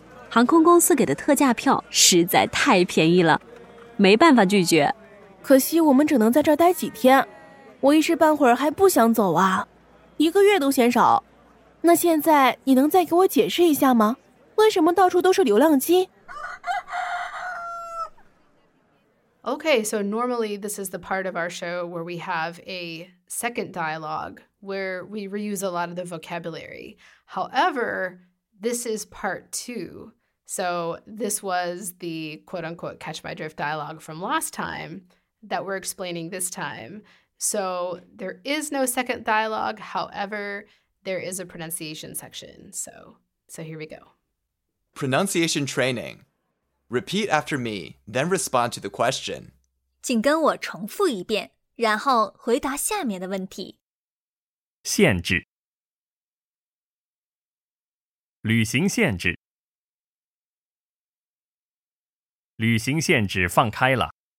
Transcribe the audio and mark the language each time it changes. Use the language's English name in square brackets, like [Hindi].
[Chinese] 航空公司给的特价票实在太便宜了，没办法拒绝。可惜我们只能在这儿待几天，我一时半会儿还不想走啊，一个月都嫌少。那现在你能再给我解释一下吗？为什么到处都是流浪鸡？ [English] Okay, so normally this is the part of our show where we have a second dialogue where we reuse a lot of the vocabulary. However, this is part two. So this was the quote-unquote catch my drift dialogue from last time that we're explaining this time. So there is no second dialogue. However, there is a pronunciation section. So here we go. Pronunciation training. Repeat after me, then respond to the question. [Chinese] 请跟我重复一遍，然后回答下面的问题。限制。旅行限制。旅行限制放开了。